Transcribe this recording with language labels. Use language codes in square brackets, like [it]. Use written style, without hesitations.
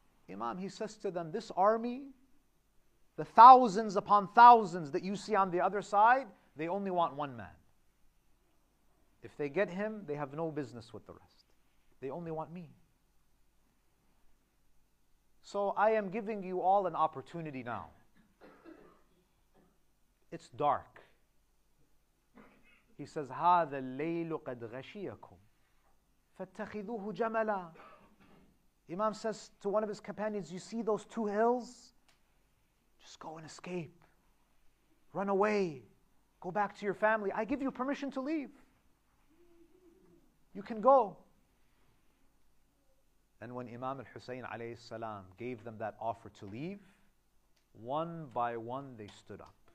[en] Imam, he says to them, this army, the thousands upon thousands that you see on the other side, they only want one man. If they get him, they have no business with the rest. They only want me. So I am giving you all an opportunity now. It's dark. He says, [ar] هَذَا اللَّيْلُ قَدْ غَشِيَكُمْ فَاتَّخِذُوهُ جَمَلًا. [en] Imam says to one of his companions, you see those two hills? Just go and escape. Run away. Go back to your family. I give you permission to leave. You can go. And when Imam al-Hussein alayhi salam gave them that offer to leave, one by one they stood up.